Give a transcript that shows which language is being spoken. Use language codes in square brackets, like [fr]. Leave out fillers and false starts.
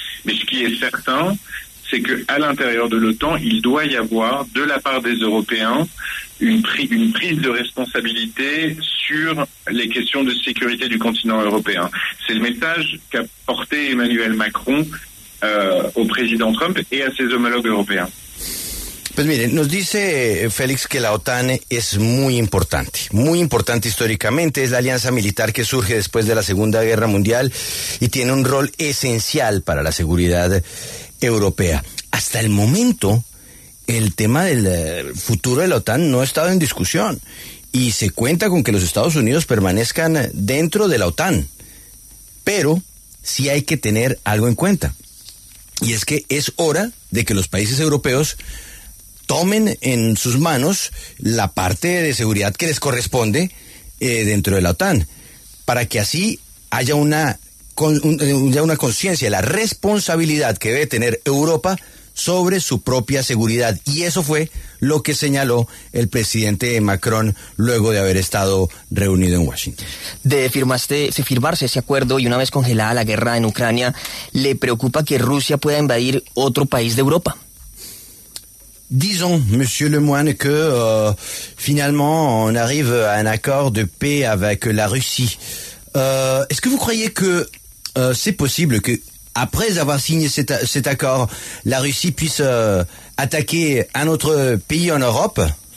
[fr] Mais ce qui est certain, c'est qu'à l'intérieur de l'OTAN, il doit y avoir, de la part des Européens, une prise de responsabilité sur les questions de sécurité du continent européen. C'est le message qu'a porté Emmanuel Macron au président Trump et à ses homologues européens. [es] Pues miren, nos dice Félix que la OTAN es muy importante históricamente, es la alianza militar que surge después de la Segunda Guerra Mundial y tiene un rol esencial para la seguridad europea. Hasta el momento, el tema del futuro de la OTAN no ha estado en discusión y se cuenta con que los Estados Unidos permanezcan dentro de la OTAN, pero sí hay que tener algo en cuenta, y es que es hora de que los países europeos tomen en sus manos la parte de seguridad que les corresponde dentro de la OTAN, para que así haya una conciencia, la responsabilidad que debe tener Europa sobre su propia seguridad. Y eso fue lo que señaló el presidente Macron luego de haber estado reunido en Washington. De firmarse ese acuerdo y una vez congelada la guerra en Ucrania, ¿le preocupa que Rusia pueda invadir otro país de Europa? [fr] Disons, Monsieur Lemoine, que finalement on arrive à un accord de paix avec la Russie. Est-ce que vous croyez que c'est possible que, après avoir signé cet accord, la Russie puisse attaquer un autre pays en Europe ?